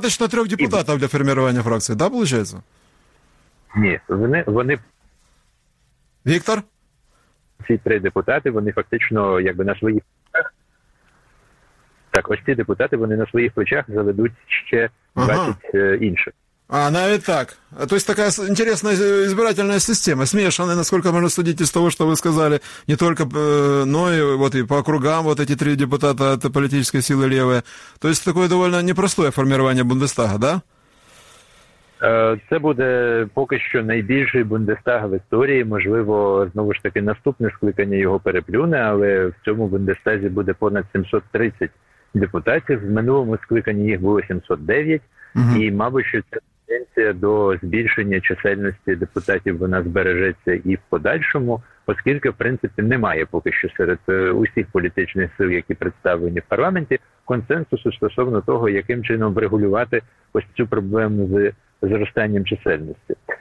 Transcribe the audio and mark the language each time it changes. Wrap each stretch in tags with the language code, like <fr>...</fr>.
<uk>Достатньо трьох депутатів для формування фракції, так, виходить? Ні, вони... Віктор? Ці три депутати, вони фактично, якби на своїх плечах... Так, ось ці депутати, вони на своїх плечах заведуть ще 20 інших. А, навіть так.</uk> <ru>То есть такая интересная избирательная система, смешанная, насколько можно судить из того, что вы сказали, не только, но и вот и по округам вот эти три депутата от политической силы левые. То есть такое довольно непростое формирование Бундестага, да?</ru> <uk>Це буде поки що найбільший Бундестаг в історії, можливо, знову ж таки, наступне скликання його переплюне, але в цьому Бундестазі буде понад 730 депутатів, в минулому скликанні їх було 709. Угу. І, мабуть, що ця тенденція до збільшення чисельності депутатів, вона збережеться і в подальшому, оскільки, в принципі, немає поки що серед усіх політичних сил, які представлені в парламенті, консенсусу стосовно того, яким чином врегулювати ось цю проблему з зростанням чисельності.</uk>